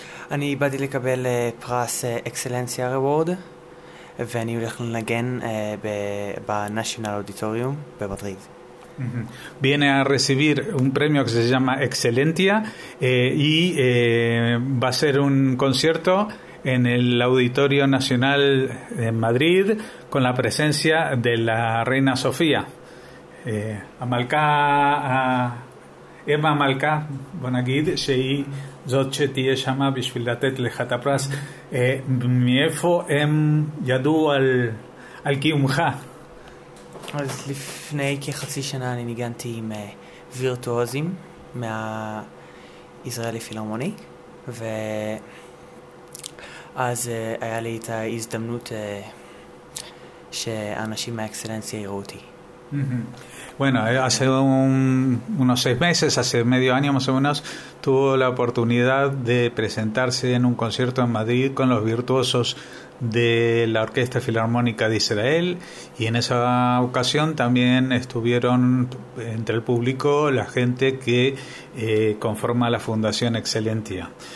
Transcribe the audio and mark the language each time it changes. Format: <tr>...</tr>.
<he>אני באתי לקבל פרס אקסלנציה רוורד, ואני הולך לנגן בנשיונל אודיטוריום במדריד.</he> <es>Viene a recibir un premio que se llama Excelentia y va a ser un concierto en el Auditorio Nacional de Madrid con la presencia de la Reina Sofía.</es> <he>המלכה, אמא המלכה, בוא נגיד, שהיא זאת שתהיה שמה בשביל לתת לך את הפרס. מאיפה הם ידעו על קיומך? אז לפני כחצי שנה אני ניגנתי עם וירטואוזים מהישראלי פילהרמוני, ואז היה לי את ההזדמנות שאנשים מהאקסלנציה יראו אותי.</he> <es>Bueno, hace unos seis meses, hace medio año más o menos, tuvo la oportunidad de presentarse en un concierto en Madrid con los virtuosos de la Orquesta Filarmónica de Israel, y en esa ocasión también estuvieron entre el público la gente que conforma la Fundación Excelentia.</es>